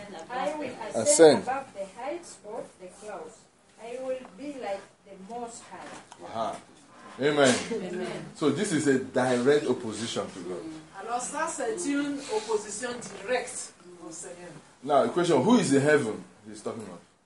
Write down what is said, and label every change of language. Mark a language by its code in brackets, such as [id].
[en] I will ascend above the heights of the clouds. I will be like the most high. Uh-huh. Amen. Amen. So this is a direct opposition to God. [fr] Alors ça c'est une opposition directe au Seigneur. [en] Now the question, who is in heaven he's talking about?